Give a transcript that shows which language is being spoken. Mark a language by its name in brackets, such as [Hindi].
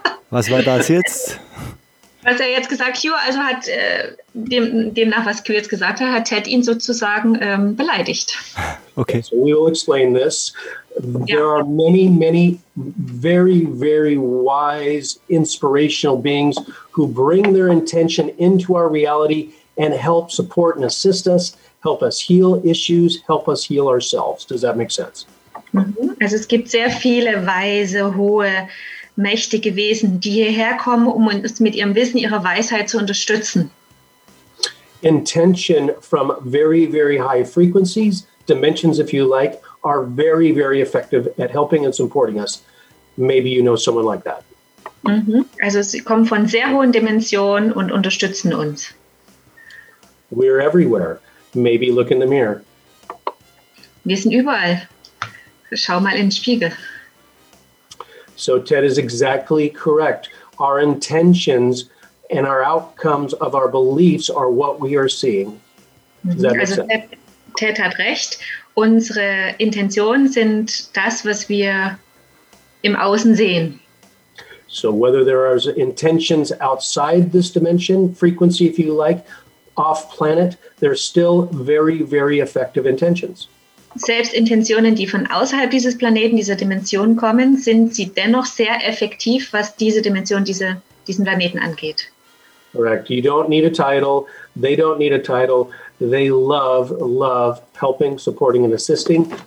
[German] Was war das jetzt? Was er jetzt gesagt hat, also hat demnach, was Q jetzt gesagt hat, hat Ted ihn sozusagen beleidigt. Okay. [English] So we will explain this. There are many, many very, very wise, inspirational beings who bring their intention into our reality and help support and assist us. Help us heal issues, help us heal ourselves. Does that make sense? [German] Also es gibt sehr viele weise, hohe, mächtige Wesen, die hierher kommen, um uns mit ihrem Wissen, ihrer Weisheit zu unterstützen. [English] Intention from very, very high frequencies, dimensions if you like, are very, very effective at helping and supporting us. Maybe you know someone like that. [German] Also sie kommen von sehr hohen Dimensionen und unterstützen uns. [English] We're everywhere. Maybe look in the mirror. [German] Wir sind überall. Schau mal in den Spiegel. [English] So Ted is exactly correct. Our intentions and our outcomes of our beliefs are what we are seeing. [German] Also Ted hat recht. Unsere Intentionen sind das, was wir im Außen sehen. [English] So whether there are intentions outside this dimension, frequency if you like, off planet, they're still very, very effective intentions. [German] Selbst Intentionen, die von außerhalb dieses Planeten, dieser Dimension kommen, sind sie dennoch sehr effektiv, was diese Dimension, diesen Planeten angeht. [English] Correct. You don't need a title. They don't need a title. They love helping, supporting and assisting.